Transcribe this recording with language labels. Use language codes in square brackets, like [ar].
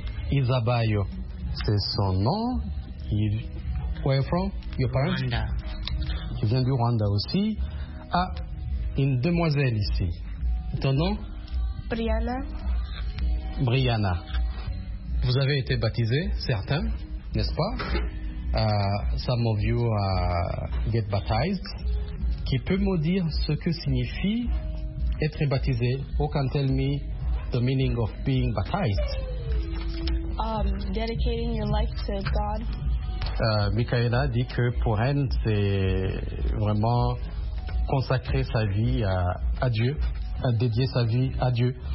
[en] Isabayo, [fr] c'est son nom. [en] Where are you from? Your parents? Rwanda. [fr] Tu viens du Rwanda aussi. Ah, une demoiselle ici. Ton nom? Brianna. Brianna. Vous avez été baptisé, certains? N'est-ce pas? [en] Some of you get baptized. [fr] Qui peut me dire ce que signifie être baptisé? [en] Who can tell me the meaning of being baptized? Dedicating your life to God. [fr] Michaela dit que pour elle, c'est vraiment consacrer sa vie à Dieu, à dédier sa vie à Dieu.